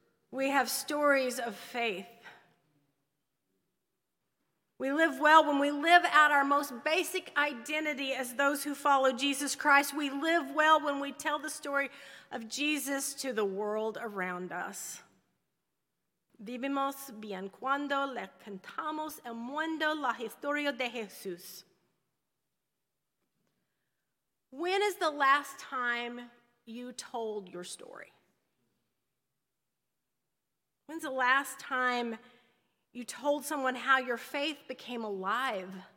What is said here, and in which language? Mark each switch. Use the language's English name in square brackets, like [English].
[English] We have stories of faith. We live well when we live out our most basic identity as those who follow Jesus Christ. We live well when we tell the story of Jesus to the world around us. [Spanish] Vivimos bien cuando le contamos el mundo la historia de Jesús. [English] When is the last time you told your story? When's the last time you told someone how your faith became alive?